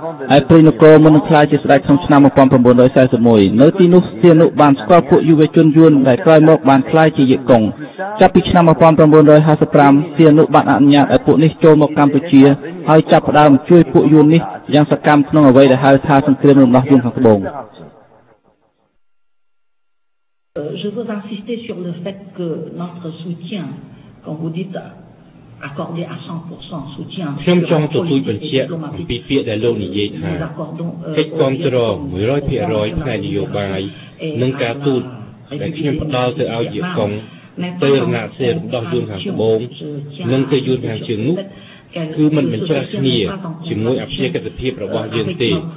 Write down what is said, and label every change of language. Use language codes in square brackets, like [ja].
[km] ហើយព្រះនគរមុននឹងផ្លាយជាស្ដេចក្នុងឆ្នាំ1941នៅទីនោះសៀនុបានស្គាល់ពួកយុវជនយួនដែលក្រោយមកបានផ្លាយជាយិកុងចាប់ពីឆ្នាំ1955សៀនុបានអនុញ្ញាតឲ្យពួកនេះចូលមកកម្ពុជាហើយចាប់ផ្ដើមជួយពួកយួននេះយ៉ាងសកម្មក្នុងអ្វីដែលហៅថាសង្គ្រាមរំដោះយួនខាងត្បូង [fr] Je veux insister sur le fait que notre soutien, quand vous dites accordé à 100% soutien, nous accordons [km] គឺមិនមិនច្រាស់គ្នាជាមួយអភិជាតិភាពរបស់យើងទេ